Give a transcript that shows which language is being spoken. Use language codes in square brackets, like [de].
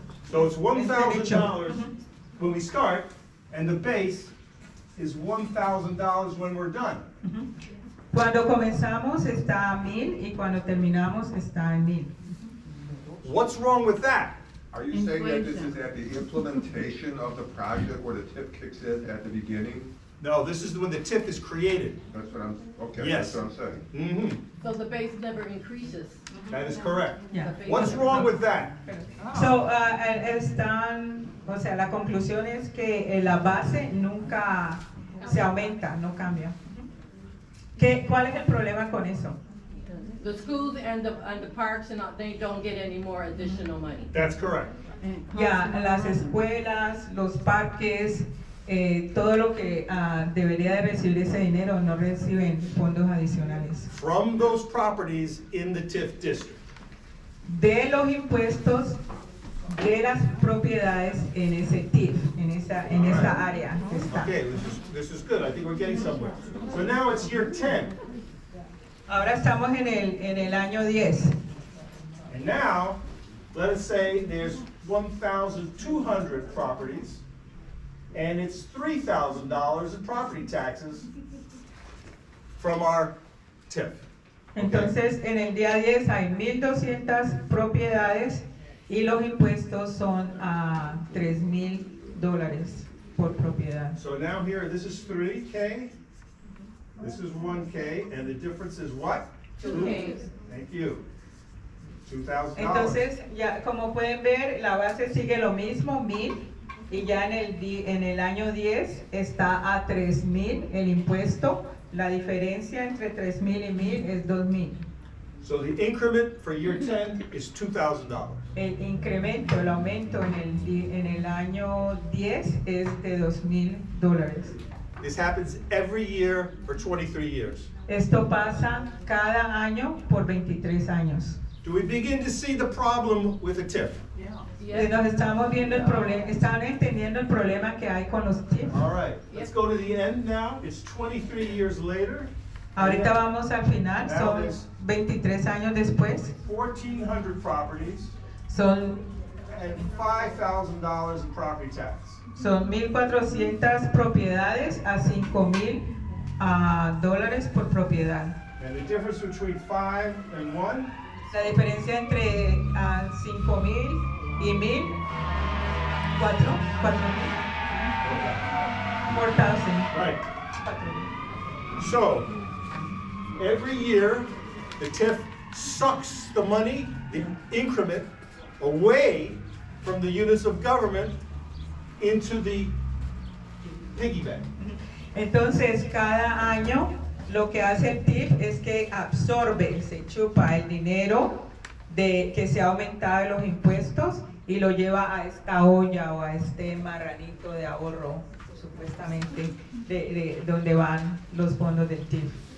[en] So it's $1,000 when we start, and the base is $1,000 when we're done. [es] Cuando comenzamos está a mil, y cuando terminamos está en mil. [en] What's wrong with that? Are you saying that this is at the implementation of the project where the tip kicks in at the beginning? No, this is when the tip is created. That's what I'm, okay, yes. That's what I'm saying. Mm-hmm. So the base never increases. That is correct. Yeah. What's wrong with that? [es] So, están, o sea, la conclusión es que la base nunca se aumenta, no cambia. ¿Qué, cuál es el problema con eso? [en] The schools and the parks and all, they don't get any more additional money. That's correct. [es] Yeah, las escuelas, los parques, todo lo que debería de recibir ese dinero no reciben fondos adicionales. [en] From those properties in the TIF district. [es] De los impuestos de las propiedades en ese TIF, en esa all en right. esa área que está. [en] Okay, this is good. I think we're getting somewhere. So now it's year 10. [es] Ahora estamos en el año 10. [en] And now, let's say there's 1,200 properties, and it's $3,000 in property taxes from our TIF. Okay. [es] Entonces, en el día 10 hay 1,200 propiedades, y los impuestos son $3,000 por propiedad. [en] So now here, this is 3K. This is 1K, and the difference is what? 2K. Thank you. $2,000. [es] Entonces, ya como pueden ver, la base sigue lo mismo, 1,000, y ya en el año 10 está a 3,000 el impuesto. La diferencia entre 3,000 y 1,000 es 2,000. [en] So the increment for year 10 is $2,000. [es] El incremento, el aumento en el año 10 es de $2,000. [en] This happens every year for 23 years. [es] Esto pasa cada año por 23 años. [en] Do we begin to see the problem with the TIF? Yeah. [es] Nos estamos viendo el problema. Están entendiendo el problema que hay con los TIF. [en] All right. Let's go to the end now. It's 23 years later. [es] Ahorita vamos al final. Son 23 años después. [en] 1,400 properties. [es] Son. [en] And $5,000 in property tax. [es] Son 1,400 propiedades a $5,000 dólares por propiedad. [en] And the difference between 5 and 1? [es] La diferencia entre 5,000 y 1,000. 4,000. [en] Okay. 4,000. Right. So, every year, the TIF sucks the money, the increment, away from the units of government into the piggy bank. [es] Entonces, cada año, lo que hace el TIF es que absorbe, se chupa el dinero de que se ha aumentado los impuestos y lo lleva a esta olla o a este marranito de ahorro, supuestamente, de donde van los fondos del TIF.